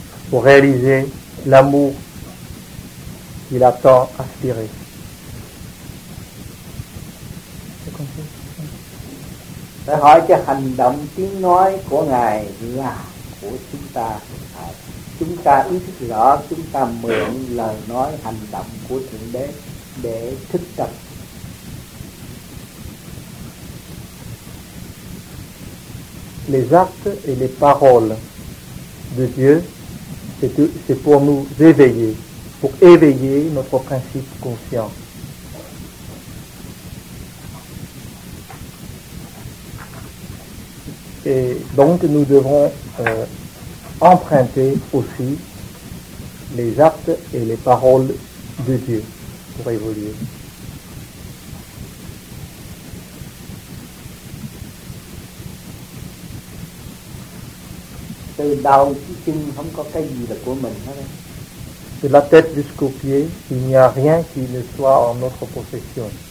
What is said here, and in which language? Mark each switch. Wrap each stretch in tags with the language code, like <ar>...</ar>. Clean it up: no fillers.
<fr>Pour réaliser l'amour qu'il a tant aspiré.</fr> <vi>Phải hỏi cái hành động tiếng nói của Ngài là của chúng ta. Chúng ta ý thức rõ, chúng ta mượn lời nói hành động của Thượng Đế để thức tập.</vi> <fr>Les actes et les paroles de Dieu, c'est pour nous éveiller, pour éveiller notre principe conscient. Et donc nous devons emprunter aussi les actes et les paroles de Dieu. pour évoluer.</fr> <vi>Từ đầu chí chân không có cái gì là của mình hết.</vi> <fr>De la tête jusqu'aux pieds, il n'y a rien qui ne soit en notre possession.</fr>